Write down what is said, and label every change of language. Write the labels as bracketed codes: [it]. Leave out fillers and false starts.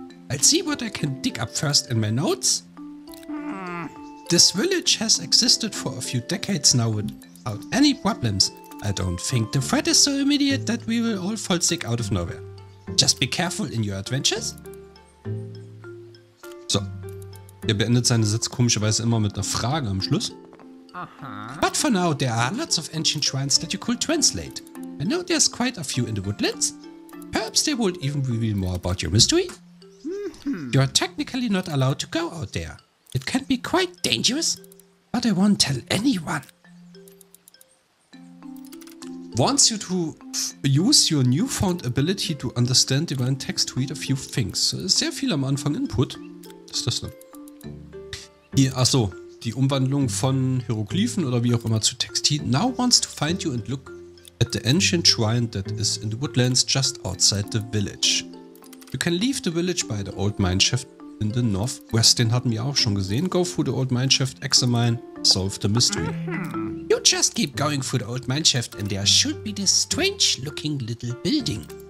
[en] I'll see what I can dig up first in my notes. This village has existed for a few decades now without any problems. I don't think the threat is so immediate that we will all fall sick out of nowhere. Just be careful in your adventures. [de] So. Er beendet seine Sätze komischerweise immer mit einer Frage am Schluss. [en] But for now, there are lots of ancient shrines that you could translate. I know there's quite a few in the woodlands. Perhaps they would even reveal more about your mystery. You're technically not allowed to go out there. It can be quite dangerous, but I won't tell anyone. Wants you to use your newfound ability to understand divine text to read a few things. [de] Sehr viel am Anfang Input. Was ist das denn? Hier, achso. Die Umwandlung von Hieroglyphen oder wie auch immer zu Textil. [en] Now wants to find you and look at the ancient shrine that is in the woodlands just outside the village. You can leave the village by the old mineshaft in the northwest. [de] Den hatten wir auch schon gesehen. [en] Go through the old mineshaft, examine, solve the mystery. You just keep going through the old mineshaft and there should be this strange looking little building.